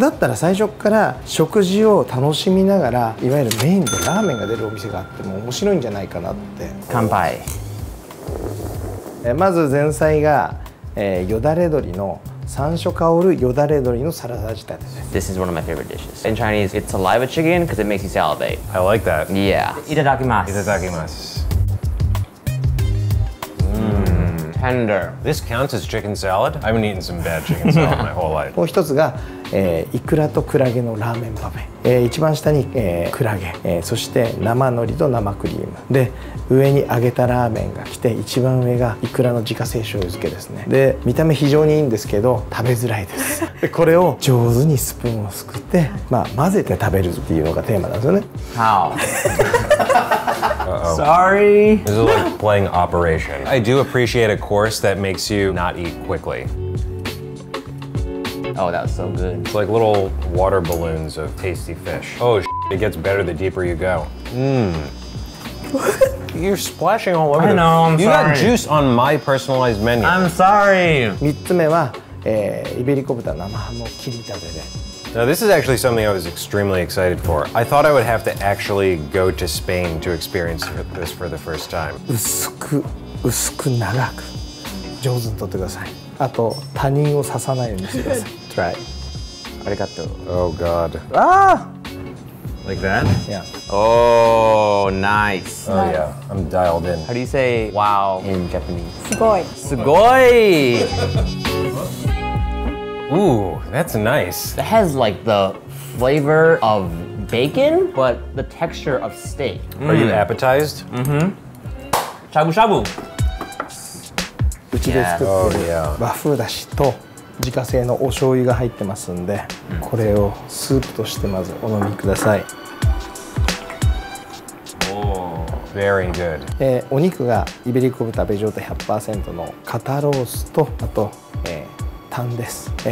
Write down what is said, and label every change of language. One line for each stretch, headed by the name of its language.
Japanese: だったら最初から食事を楽しみながら、いわゆるメインでラーメンが出るお店があっても面白いんじゃないかなって。乾杯。まず前菜が、よだれ鶏の山椒香るよだれ鶏のサラダ仕立て
English: です。This is one of my favorite dishes. In Chinese, it's saliva chicken because it makes you salivate. I like that.
Japanese: Yeah. いただきます。いただきます。
English: Tender. This counts as chicken salad? I've been eating some bad chicken salad my whole life.
Japanese: もう一つが、イクラとクラゲのラーメンパフェ。一番下に、クラゲ、そして生海苔と生クリーム。で、上に揚げたラーメンが来て、一番上がイクラの自家製醤油漬けですね。で、見た目非常にいいんですけど、食べづらいです。で、これを上手にスプーンをすくって、まあ、混ぜて食べるっていうのがテーマなんですよね。
English: How? Sorry! This is like playing Operation. I do appreciate a course that makes you not eat quickly. Oh, that was so good. It's like little water balloons of tasty fish. Oh, shit, it gets better the deeper you go. Mmm. What? You're splashing all over the... I know, I'm you sorry. You got juice on my personalized menu. I'm sorry.
Japanese: 3つ目は、イベリコ豚生ハムを切り立てて。
English: Now, this is actually something I was extremely excited for. I thought I would have to actually go to Spain to experience this for the first time.
Japanese: 薄く長く上手に取ってください。あと、他人を刺さないようにしてください。
English: Try. ありがとう。 Oh, God. Ah! Like that? Yeah. Oh, nice. Oh, yeah. I'm dialed in. How do you say wow in Japanese?
Japanese: Sugoi. Sugoi!
English: Ooh, that's nice. It has like the flavor of bacon, but the texture of steak. Are you appetized? Mm-hmm. Shabu shabu!
Japanese: うちで作ってる和風だしと自家製のお醤油が入ってますんで、これをスープとしてまずお飲みください。
English: おお、very good。
Japanese: お肉がイベリコ豚ベジョータ 100% の肩ロースと、あと、タンです。